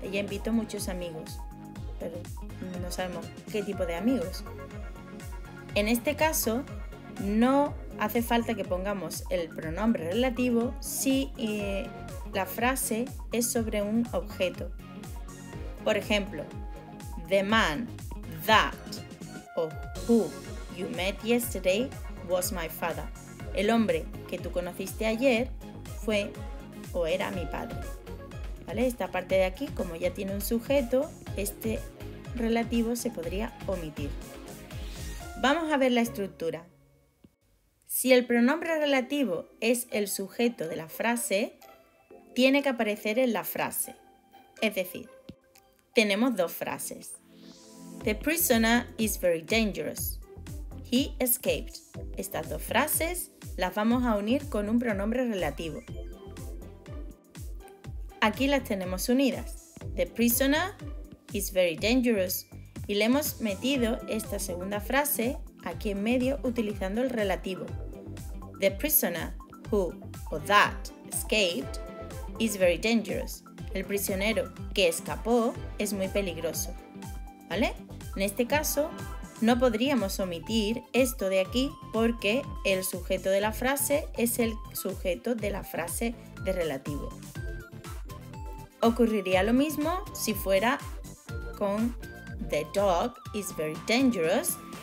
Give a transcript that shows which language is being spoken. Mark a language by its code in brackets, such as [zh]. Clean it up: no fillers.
[es] Ella invitó muchos amigos, pero no sabemos qué tipo de amigos. En este caso, no hace falta que pongamos el pronombre relativo si la frase es sobre un objeto. Por ejemplo, [en] the man that o who you met yesterday was my father. [es] El hombre que tú conociste ayer fue o era mi padre. ¿Vale? Esta parte de aquí, como ya tiene un sujeto, este relativo se podría omitir. Vamos a ver la estructura. Si el pronombre relativo es el sujeto de la frase, tiene que aparecer en la frase. Es decir, tenemos 2 frases. [en] The prisoner is very dangerous. He escaped. [es] Estas 2 frases las vamos a unir con un pronombre relativo. Aquí las tenemos unidas. [en] The prisoner is very dangerous. [es] Y le hemos metido esta segunda frase aquí en medio utilizando el relativo. [en] The prisoner who or that escaped is very dangerous. [es] El prisionero que escapó es muy peligroso. ¿Vale? En este caso, no podríamos omitir esto de aquí porque el sujeto de la frase es el sujeto de la frase de relativo. Ocurriría lo mismo si fuera con [en] The dog is very dangerous.